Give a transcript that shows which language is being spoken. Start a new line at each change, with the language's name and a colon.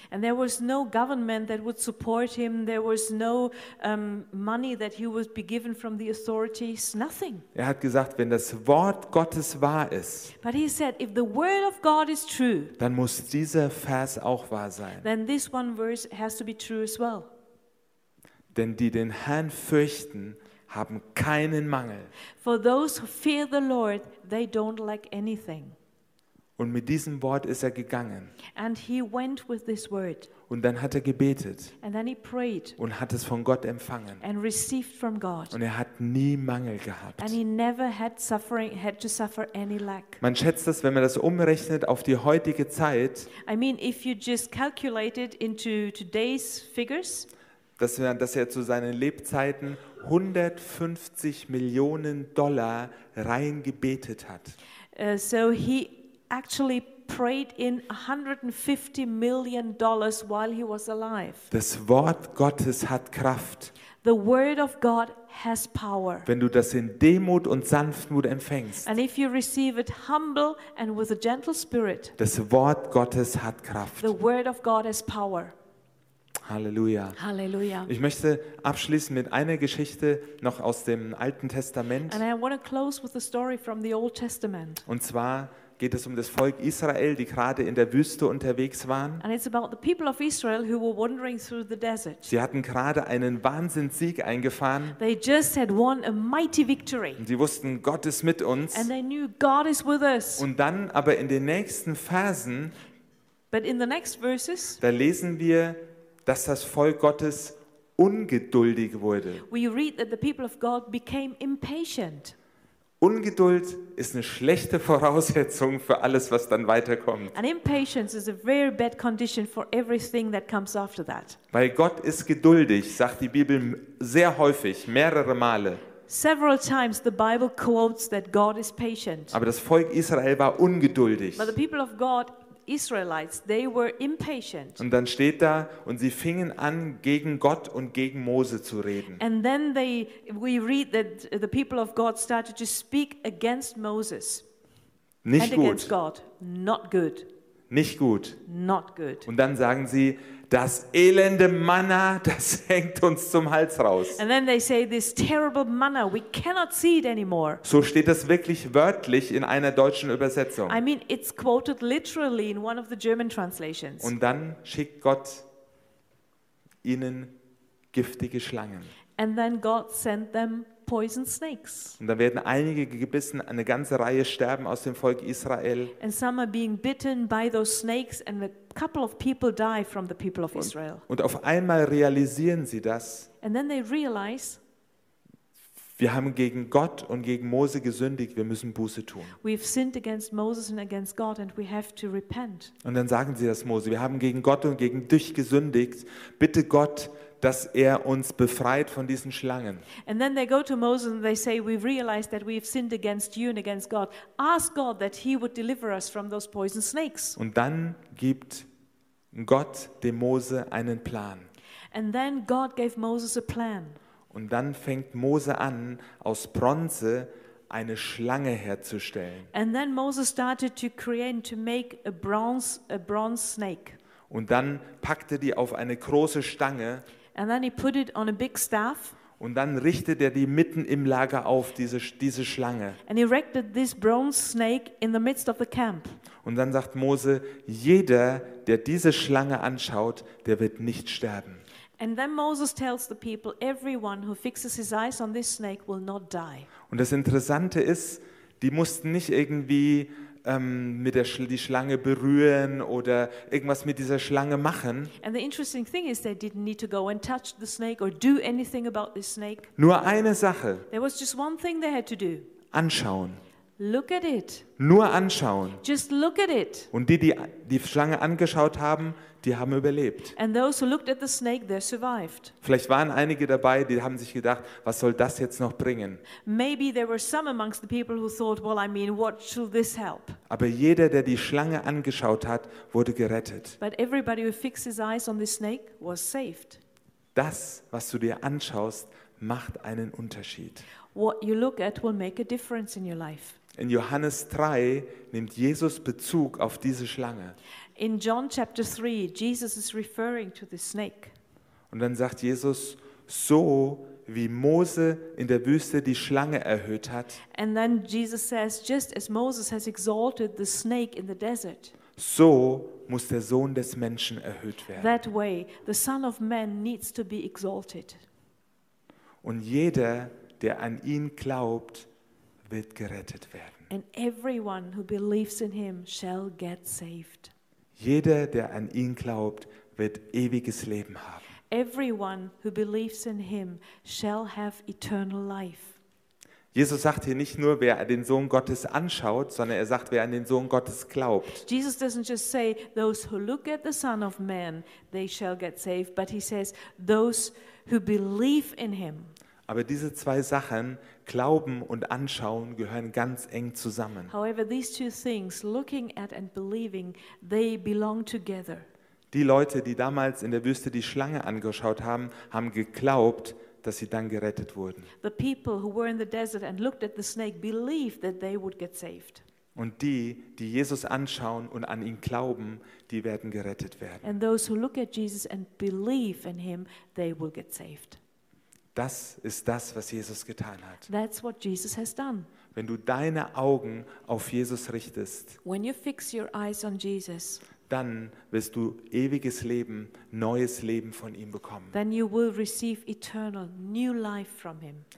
English: And there was no government that would support him, there was no money that he would be given from the authorities, nothing.
German: Er hat gesagt, wenn das Wort Gottes wahr ist,
English: but he said, if the word of God is true,
German: dann muss dieser Vers auch wahr sein.
English: Then this one verse has to be true as well.
German: Denn die den Herrn fürchten, haben keinen Mangel.
English: For those who fear the Lord, they don't lack anything.
German: Und mit diesem Wort ist er gegangen.
English: And he went with this word.
German: Und dann hat er gebetet.
English: And then he prayed.
German: Und hat es von Gott empfangen.
English: And received from God.
German: Und er hat nie Mangel gehabt.
English: And he never had suffering, had to suffer any lack.
German: Man schätzt das, wenn man das umrechnet auf die heutige Zeit.
English: I mean, if you just calculate it into today's figures,
German: dass er zu seinen Lebzeiten 150 Millionen Dollar reingebetet hat.
English: So he actually prayed in 150 million dollars while he was alive.
German: Das Wort Gottes hat Kraft.
English: The word of God has power.
German: Wenn du das in Demut und Sanftmut empfängst.
English: And if you receive it humble and with a gentle spirit.
German: Das Wort Gottes hat Kraft.
English: The word of God has power.
German: Halleluja.
English: Halleluja.
German: Ich möchte abschließen mit einer Geschichte noch aus dem Alten Testament.
English: And I want to close with a story from the Old Testament.
German: Und zwar geht es um das Volk Israel, die gerade in der Wüste unterwegs waren.
English: And it's about the people of Israel who were wandering through the desert.
German: Sie hatten gerade einen Wahnsinnssieg eingefahren.
English: They just had won a mighty victory.
German: Sie wussten, Gott ist mit uns.
English: And they knew God is with us.
German: Und dann aber in den nächsten Versen,
English: but in the next verses,
German: da lesen wir, dass das Volk Gottes ungeduldig wurde.
English: We read that the people of God became impatient.
German: Ungeduld ist eine schlechte Voraussetzung für alles, was dann weiterkommt.
English: And impatience is a very bad condition for everything that comes after that.
German: Weil Gott ist geduldig, sagt die Bibel sehr häufig, mehrere Male.
English: Several times the Bible quotes that God is patient.
German: Aber das Volk Israel war ungeduldig.
English: But the people of God, Israelites, they were impatient.
German: Und dann steht da, und sie fingen an, gegen Gott und gegen Mose zu reden.
English: And then we read that the people of God started to speak against Moses.
German: Nicht gut.
English: And against God. Not good.
German: Nicht gut.
English: Not good.
German: Und dann sagen sie, Das elende Manna, das hängt uns zum Hals raus.
English: And then they say this terrible manna, we cannot see it anymore.
German: So steht das wirklich wörtlich in einer deutschen Übersetzung.
English: I mean, it's quoted literally in one of the German translations.
German: Und dann schickt Gott ihnen giftige Schlangen.
English: And then God sent them poison snakes.
German: Und dann werden einige gebissen, eine ganze Reihe sterben aus dem Volk Israel.
English: And some are being bitten by those snakes and a couple of people die from the people of Israel.
German: Und auf einmal realisieren sie das.
English: And then they realize,
German: wir haben gegen Gott und gegen Mose gesündigt, wir müssen Buße tun.
English: We've sinned against Moses and against God and we have to repent.
German: Und dann sagen sie das Mose, wir haben gegen Gott und gegen dich gesündigt, bitte Gott, dass er uns befreit von diesen Schlangen.
English: And then they go to Moses and they say, we've realized that we've sinned against you and against God. Ask God that he would deliver us from those poison snakes.
German: Und dann gibt Gott dem Mose einen Plan.
English: And then God gave Moses a plan.
German: Und dann fängt Mose an, aus Bronze eine Schlange herzustellen.
English: And then Moses started to create, to make a bronze snake.
German: Und dann packte die auf eine große Stange.
English: And then he put it on a big staff.
German: Und dann richtet er die mitten im Lager auf, diese Schlange.
English: And he erected this bronze snake in the midst of the camp.
German: Und dann sagt Mose, jeder, der diese Schlange anschaut, der wird nicht sterben.
English: And then Moses tells the people, everyone who fixes his eyes on this snake will not die.
German: Und das Interessante ist, die mussten nicht irgendwie mit der die Schlange berühren oder irgendwas mit dieser Schlange machen.
English: And the interesting thing is they didn't need to go and touch the snake or do anything about this snake.
German: Nur eine Sache.
English: There was just one thing they had to do.
German: Anschauen.
English: Look at it.
German: Nur anschauen.
English: Just look at it.
German: Und die Schlange angeschaut haben, die haben überlebt.
English: And those who looked at the snake, they survived.
German: Vielleicht waren einige dabei, die haben sich gedacht, was soll das jetzt noch bringen?
English: Maybe there were some amongst the people who thought, well, I mean, what should this help?
German: Aber jeder, der die Schlange angeschaut hat, wurde gerettet.
English: But everybody who fixed his eyes on the snake was saved.
German: Das, was du dir anschaust, macht einen Unterschied.
English: What you look at will make a difference in your life.
German: In Johannes 3 nimmt Jesus Bezug auf diese Schlange.
English: In John chapter 3, Jesus is referring to the snake.
German: Und dann sagt Jesus, so wie Mose in der Wüste die Schlange erhöht hat.
English: And then Jesus says, just as Moses has exalted the snake in the desert.
German: So muss der Sohn des Menschen erhöht werden.
English: That way, the Son of Man needs to be exalted.
German: Und jeder, der an ihn glaubt, wird gerettet werden.
English: And everyone who believes in him shall get saved.
German: Jeder, der an ihn glaubt, wird ewiges Leben haben.
English: Everyone who believes in him shall have eternal life.
German: Jesus sagt hier nicht nur, wer den Sohn Gottes anschaut, sondern er sagt, wer an den Sohn Gottes glaubt.
English: Jesus doesn't just say, those who look at the Son of Man, they shall get saved, but he says, those who believe in him.
German: Aber diese zwei Sachen, Glauben und Anschauen, gehören ganz eng zusammen.
English: However, these two things, looking at and believing, they belong together.
German: Die Leute, die damals in der Wüste die Schlange angeschaut haben, haben geglaubt, dass sie dann gerettet wurden.
English: The people who were in the desert and looked at the snake believed that they would get saved.
German: Und die, die Jesus anschauen und an ihn glauben, die werden gerettet werden.
English: And those who look at Jesus and believe in him, they will get saved.
German: Das ist das, was Jesus getan hat.
English: That's what Jesus has done.
German: Wenn du deine Augen auf Jesus richtest,
English: when you fix your eyes on Jesus, dann wirst du ewiges Leben, neues Leben von ihm bekommen. Then you will receive eternal, new life from him.